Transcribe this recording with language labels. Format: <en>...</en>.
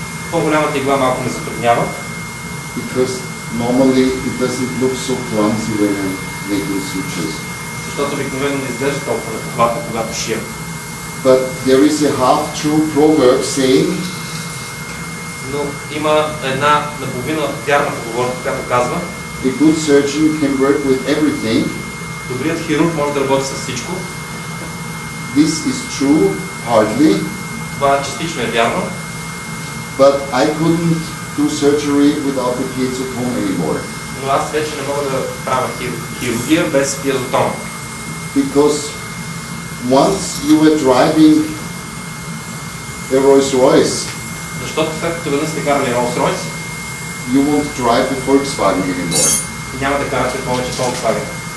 <bg>По-голямата игла малко ме затруднява.</bg> <en>Because normally it doesn't look so clumsy when I'm making sutures.</en> <bg>Защото обикновено не изглежда толкова нахватно, когато шия.</bg> <en>But there is a half true proverb saying.</en> <bg>Но има една наполовина вярна поговорка, която казва.</bg> <en>A good surgeon can work with everything.</en> <bg>Добрият хирург може да работи с всичко.</bg> <en>This is true, hardly.</en> <bg>Това частично е вярно.</bg> <en>But I couldn't do surgery without the piezotome anymore.</en> <bg>Но аз вече не мога да правя хирургия без пиезотома.</bg> <en>Because once you were driving a Rolls Royce.</en> <bg>Защото след като веднъж сте карали Rolls Royce.</bg> <en>You won't drive a Volkswagen anymore.</en> <bg>Няма да карате повече Volkswagen.</bg>